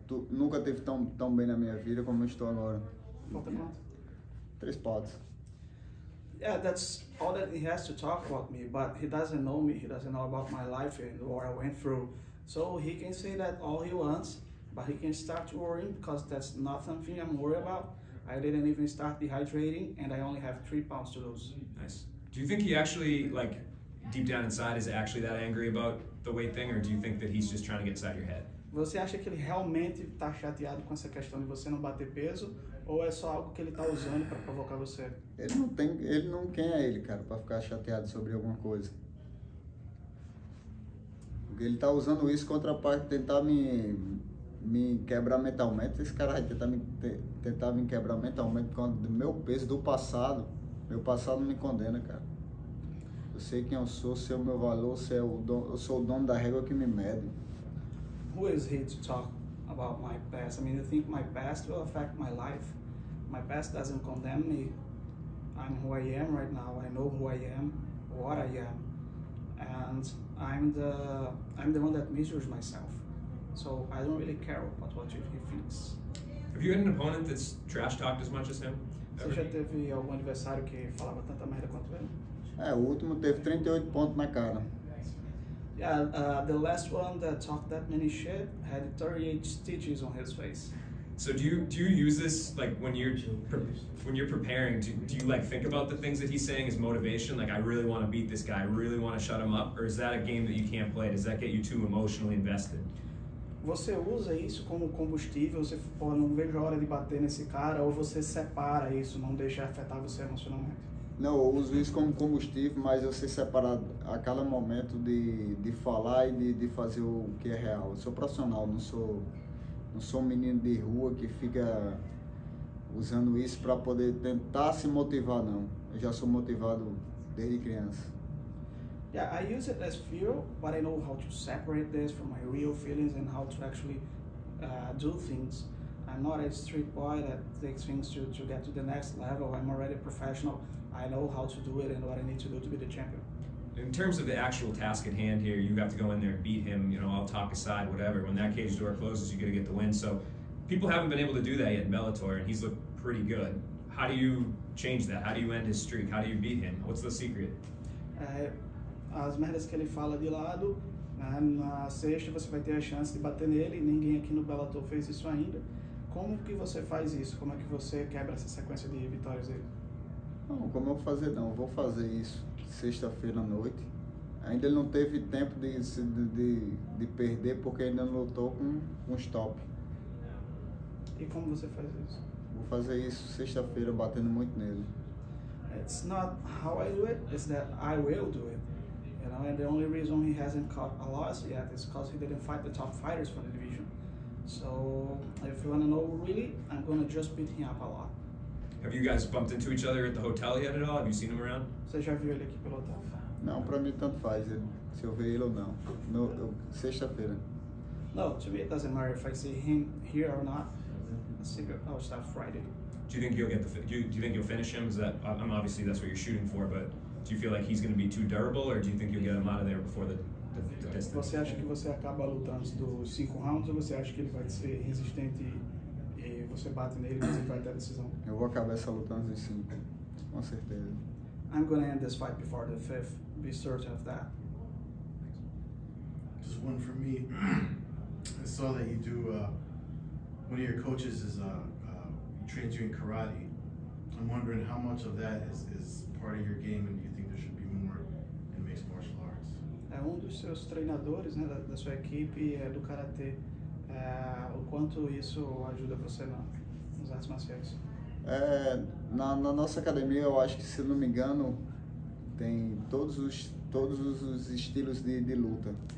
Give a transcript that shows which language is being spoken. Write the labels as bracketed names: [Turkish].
[Portuguese] Nunca teve tão bem na minha vida como eu estou agora. Falta quanto? [English] 3 pounds. Yeah, that's all that he has to talk about me, but he doesn't know me. He doesn't know about my life and what I went through. So he can say that all he wants. But he can start to worry because that's not something I'm worried about. I didn't even start dehydrating and I only have 3 pounds to lose. Nice. Do you think he actually, like, deep down inside, is actually that angry about the weight thing, or do you think that he's just trying to get inside your head? [Portuguese] Você acha que ele realmente tá chateado com essa questão de você não bater peso, ou é só algo que ele tá usando para provocar você? Ele não quer, cara, para ficar chateado sobre alguma coisa. Ele tá usando isso contra a parte tentar me quebrar mentalmente. Esse cara vai tentar me quebrar mentalmente com o meu peso do passado. Meu passado me condena, cara. Eu sei quem eu sou, sei o meu valor, eu sou o dono da régua que me mede. [English] Who is he to talk about my past? I mean, you think my past will affect my life? My past doesn't condemn me. I'm who I am right now. I know who I am, what I am. And I'm the one that measures myself. So I don't really care about what he thinks. Have you had an opponent that's trash-talked as much as him? [Portuguese] Você já teve algum adversário que falava tanta merda quanto ele? É, o último teve 38 pontos na cara. [English] Yeah, the last one that talked that many shit had 38 stitches on his face. So do you use this, like, when you're preparing, do you, like, think about the things that he's saying as motivation? Like, I really want to beat this guy, I really want to shut him up? Or is that a game that you can't play? Does that get you too emotionally invested? [Portuguese] Você usa isso como combustível, você fala, não vejo a hora de bater nesse cara, ou você separa isso, não deixa afetar você emocionalmente? Não, eu uso isso como combustível, mas eu sei separar a cada momento de falar e de fazer o que é real. Eu sou profissional, não sou um menino de rua que fica usando isso para poder tentar se motivar, não. Eu já sou motivado desde criança. [English] Yeah, I use it as fuel, but I know how to separate this from my real feelings and how to actually do things. I'm not a street boy that takes things to get to the next level. I'm already a professional. I know how to do it and what I need to do to be the champion. In terms of the actual task at hand here, you have to go in there and beat him, you know, all talk aside, whatever. When that cage door closes, you're going to get the win. So people haven't been able to do that yet in Bellator, and he's looked pretty good. How do you change that? How do you end his streak? How do you beat him? What's the secret? [Portuguese] As merdas que ele fala de lado, na sexta você vai ter a chance de bater nele, ninguém aqui no Bellator fez isso ainda. Como que você faz isso? Como é que você quebra essa sequência de vitórias dele? Não, como eu vou fazer não, eu vou fazer isso sexta-feira à noite. Ainda ele não teve tempo de perder porque ainda não lutou com um stop. E como você faz isso? Vou fazer isso sexta-feira batendo muito nele. [English] It's not how I do it, it's that I will do it. You know, and the only reason he hasn't caught a loss yet is because he didn't fight the top fighters for the division. So, if you want to know really, I'm going to just beat him up a lot. Have you guys bumped into each other at the hotel yet at all? Have you seen him around? [Portuguese] Você já viu ele aqui pelo hotel? Não, para mim tanto faz, se eu ver ele ou não. No, sexta-feira. [English] No, to me it doesn't matter if I see him here or not. I'll see him Friday. do you think you'll get the do you think you'll finish him? Is that I'm obviously that's what you're shooting for, but do you feel like he's going to be too durable, or do you think you'll get him out of there before the distance? [Portuguese] Você acha que você acaba lutando antes dos 5 rounds, ou você acha que ele vai ser resistente e você bate nele e você vai ter a decisão? Eu vou acabar essa luta antes dos 5, com certeza. [English] I'm going to end this fight before the 5th. Be certain of that. Just one for me. I saw that you do one of your coaches is trains you in karate. I'm wondering how much of that is part of your game, and do you think there should be more in mixed martial arts? [Portuguese] É um dos seus treinadores, né, da sua equipe, é do karatê. O quanto isso ajuda você nos artes marciais? Na nossa academia, eu acho que, se não me engano, tem todos os estilos de luta.